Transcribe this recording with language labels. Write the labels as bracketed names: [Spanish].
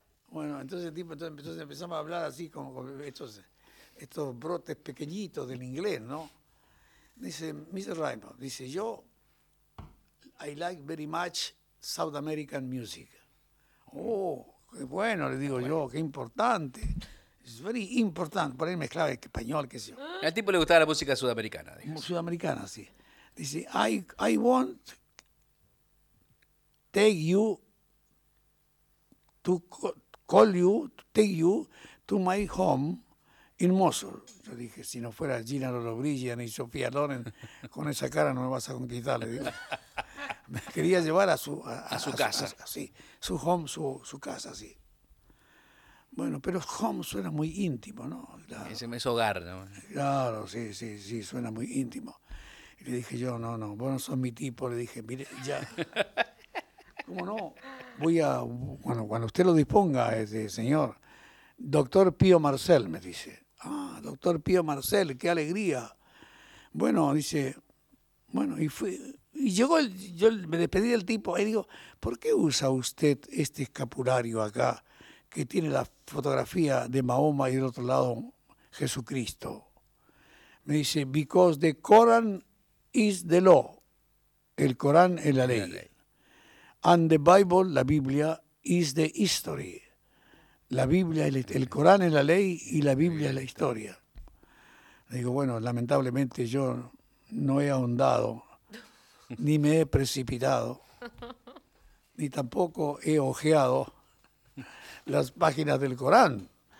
[Spanish] Bueno, entonces el tipo empezamos a hablar así como con estos brotes pequeñitos del inglés, ¿no? Dice, Mr. [English] Raymond, [Spanish] dice, yo, [English] I like very much South American music. [Spanish] Oh, qué bueno, le digo yo, qué importante. [English] It's very important. [Spanish] Por ahí mezclaba el español, qué sé yo. Al tipo le gustaba la música sudamericana, digamos. Sudamericana, sí. Dice, [English] I want take you to call you, to take you to my home in Mosul. [Spanish] Yo dije, si no fuera Gina Lollobrigida ni Sofía Loren, con esa cara no me vas a conquistar. Le digo. Me quería llevar a su casa. Su casa, sí. Bueno, pero home suena muy íntimo, ¿no? Claro. Ese es hogar, ¿no? Claro, sí, suena muy íntimo. Y le dije yo, no, vos no sos mi tipo. Le dije, mire, ya. ¿Cómo no? Cuando usted lo disponga, señor, doctor Pío Marcel, me dice, Ah, doctor Pío Marcel, qué alegría. Bueno, dice, bueno, y fui. Y llegó, yo me despedí del tipo y digo, ¿por qué usa usted este escapulario acá que tiene la fotografía de Mahoma y del otro lado Jesucristo? Me dice, [English] because the Quran is the law. [Spanish] El Corán es la ley. [English] And the Bible, [Spanish] la Biblia, [English] is the history. [Spanish] La Biblia, el Corán es la ley y la Biblia es la historia. Le digo, bueno, lamentablemente yo no he ahondado, ni me he precipitado, ni tampoco he ojeado las páginas del Corán.